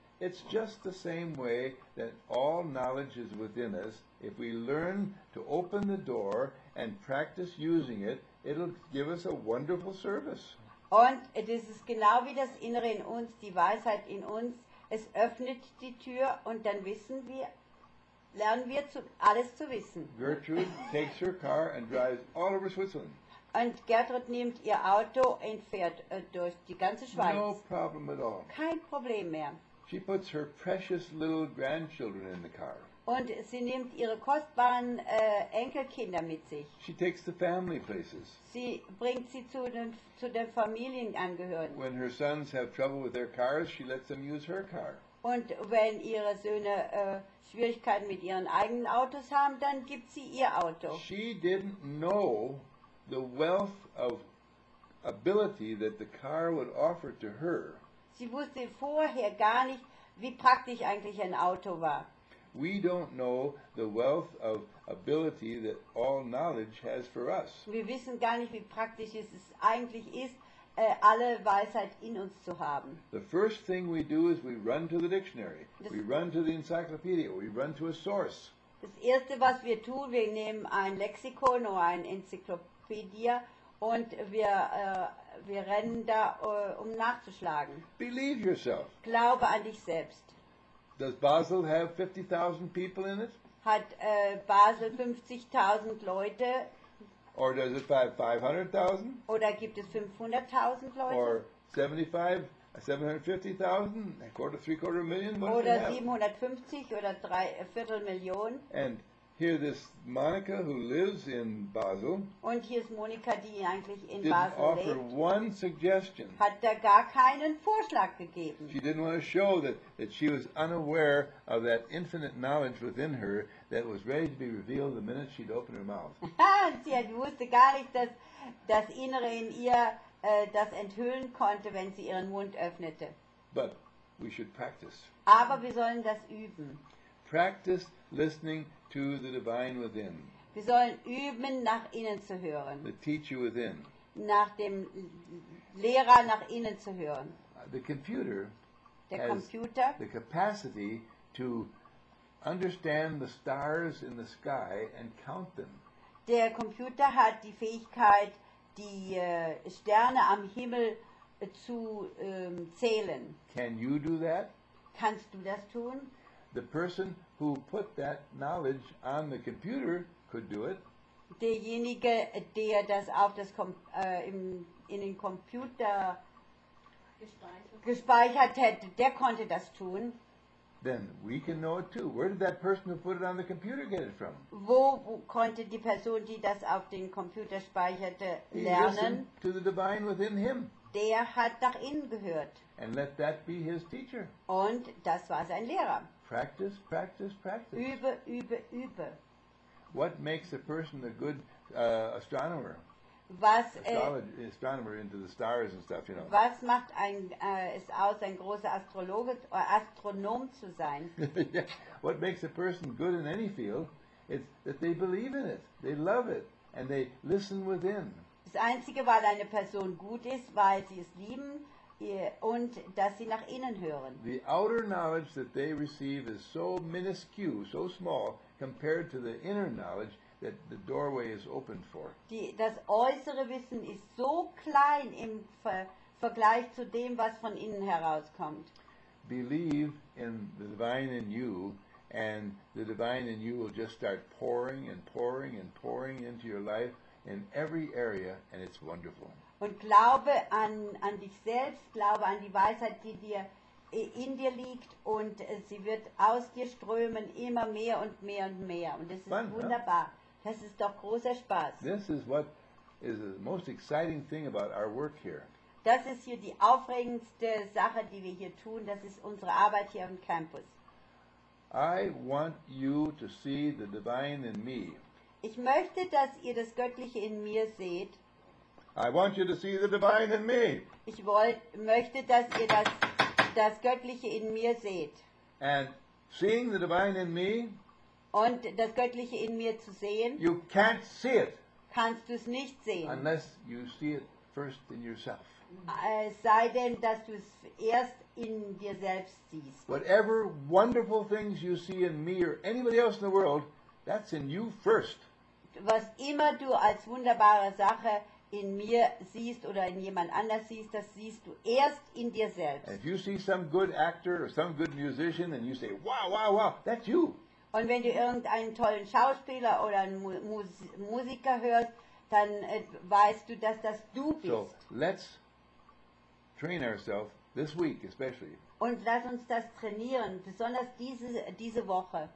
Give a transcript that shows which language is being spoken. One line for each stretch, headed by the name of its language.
English: It's just the same way that all knowledge is within us. If we learn to open the door and practice using it, it'll give us a wonderful service.
German: Und es ist genau wie das Innere in uns, die Weisheit in uns. Es öffnet die Tür und dann wissen wir, lernen wir zu, alles zu wissen.
English: Gertrude takes her car and drives all over Switzerland.
German: Und Gertrud nimmt ihr Auto und fährt durch die ganze Schweiz.
English: No problem at all.
German: Kein Problem mehr.
English: She puts her precious little grandchildren in the car.
German: Und sie nimmt ihre kostbaren Enkelkinder mit sich.
English: She takes the family places.
German: Sie bringt sie zu den Familienangehörigen.
English: When her sons have trouble with their cars, she lets them use her car.
German: Und wenn ihre Söhne Schwierigkeiten mit ihren eigenen Autos haben, dann gibt sie ihr Auto.
English: She didn't know the wealth of ability that the car would offer to her.
German: Sie wusste vorher gar nicht, wie praktisch eigentlich ein Auto war.
English: We don't know the wealth of ability that all knowledge has for us.
German: Wir wissen gar nicht, wie praktisch es eigentlich ist, alle Weisheit in uns zu haben.
English: The first thing we do is we run to the dictionary. We run to the encyclopedia. We run to a source.
German: Das erste, was wir tun, wir nehmen ein Lexikon oder ein Enzyklopädie und wir rennen da, um nachzuschlagen.
English: Believe yourself.
German: Glaube an dich selbst.
English: Does Basel have 50,000 people in it?
German: Hat Basel 50,000 Leute?
English: Or does it have 500,000?
German: Oder gibt es 500,000 Leute?
English: Or 750,000? A quarter, three quarter million? What
German: oder 750 oder drei Viertelmillion?
English: And here this Monica who lives in Basel.
German: Und hier ist Monika, die eigentlich in
English: didn't
German: Basel
English: offer
German: lebt.
English: One suggestion.
German: Hat da gar keinen Vorschlag gegeben.
English: She didn't want to show that she was unaware of that infinite knowledge within her that was ready to be revealed the minute she'd open her mouth.
German: Sie hat, wusste gar nicht, dass das Innere in ihr das enthüllen konnte, wenn sie ihren Mund öffnete.
English: But we should practice.
German: Aber wir sollen das üben.
English: Practice listening to the divine within.
German: Wir sollen üben, nach innen zu hören.
English: The teacher within.
German: Nach dem Lehrer nach innen zu hören.
English: The computer.
German: Der Computer.
English: The capacity to understand the stars in the sky and count them.
German: Der Computer hat die Fähigkeit, die Sterne am Himmel zu zählen.
English: Can you do that?
German: Kannst du das tun?
English: The person who put that knowledge on the computer could do it.
German: Derjenige, der das auf das in den Computer gespeichert hätte, der konnte das tun.
English: Then we can know it too. Where did that person who put it on the computer get it from?
German: Wo konnte die Person, die das auf den Computer speicherte, lernen?
English: He listened to the divine within him.
German: Der hat nach innen gehört.
English: And let that be his teacher.
German: Und das war sein Lehrer.
English: Practice, practice, practice.
German: Übe, übe, übe.
English: What makes a person a good astronomer?
German: Was
English: astronomer into the stars and stuff, you know.
German: Was macht ein es aus, ein großer Astrologe oder Astronom zu sein?
English: Yeah. What makes a person good in any field is that they believe in it, they love it, and they listen within.
German: Das Einzige, weil eine Person gut ist, weil sie es lieben und dass sie nach innen hören.
English: The outer knowledge that they receive is so minuscule, so small, compared to the inner knowledge that the doorway is opened for.
German: Das äußere Wissen ist so klein im Vergleich zu dem, was von innen herauskommt.
English: Believe in the divine in you, and the divine in you will just start pouring and pouring and pouring into your life in every area, and it's wonderful.
German: Und glaube an dich selbst, glaube an die Weisheit, die dir in dir liegt, und sie wird aus dir strömen, immer mehr und mehr und mehr. Und das ist
English: fun,
German: wunderbar. Huh? Das ist doch großer Spaß.
English: This is what is the most exciting thing about our work here.
German: Das ist hier die aufregendste Sache, die wir hier tun. Das ist unsere Arbeit hier am Campus.
English: I want you to see the divine in me.
German: Ich möchte, dass ihr das Göttliche in mir seht.
English: I want you to see the divine in me.
German: Ich möchte, dass ihr das Göttliche in mir seht.
English: And seeing the divine in me,
German: und das Göttliche in mir zu sehen,
English: you can't see it,
German: kannst du es nicht sehen,
English: unless you see it first in yourself.
German: Sei denn, dass du es erst in dir selbst siehst.
English: Whatever wonderful things you see in me or anybody else in the world, that's in you first.
German: Was immer du als wunderbare Sache in mir siehst oder in jemand anders siehst, das siehst du erst in dir selbst.
English: And if you see some good actor or some good musician and you say, wow, wow, wow, that's you.
German: Und wenn du irgendeinen tollen Schauspieler oder einen Musiker hörst, dann weißt du, dass das du bist.
English: So, let's train ourselves this week especially.
German: Und lass uns das trainieren, besonders diese Woche.